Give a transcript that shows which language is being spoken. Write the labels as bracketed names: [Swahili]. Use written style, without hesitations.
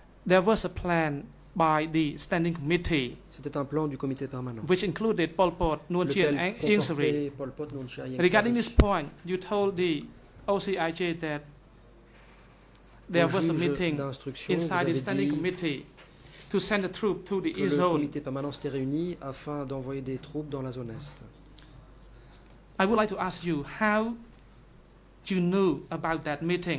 [English] There was a plan by the standing committee. [French] C'était un plan du comité permanent. [English] Which included Pol Pot, Nguyen Chien, and Yeng Sary. [French] Pol Pot, Nguyen Chien, Yeng Sary. [English] Regarding this point, you told the OCIJ that there was a meeting inside the standing committee to send the troops to the east zone. [French] Le comité permanent s'était réuni afin d'envoyer des troupes dans la zone est. [English] I would like to ask you how you knew about that meeting.